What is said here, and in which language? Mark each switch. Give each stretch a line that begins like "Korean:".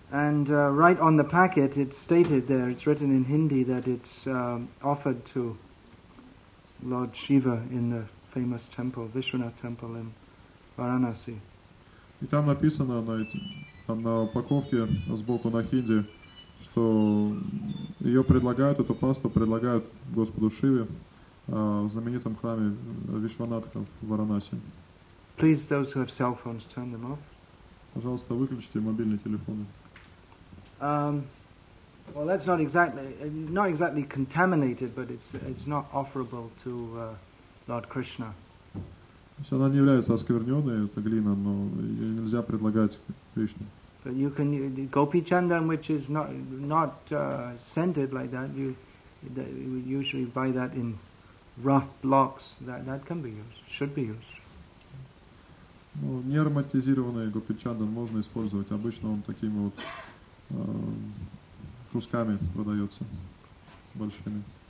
English: And right on the packet, it's stated there, it's written in Hindi, that it's offered to Lord Shiva in the famous temple, Vishwanath temple in Varanasi.
Russian: И там написано на упаковке сбоку на хинди, что ее предлагают, эту пасту предлагают Господу Шиве в знаменитом храме Вишванатха в Варанаси.
English: Please, those who have cell phones, turn them off.
Russian: Пожалуйста, выключите мобильные телефоны.
English: Well, that's not exactly contaminated, but it's not offerable to Lord Krishna.
Russian: Она не является оскверненной, это глина, но ее нельзя предлагать Кришне.
English: But you can Gopi Chandan, which is not scented like that. You usually buy that in rough blocks. That can be used, should be used.
Russian: Ну, не ароматизированный Гопи Чандан можно использовать. Обычно он такими вот кусками продается, большими.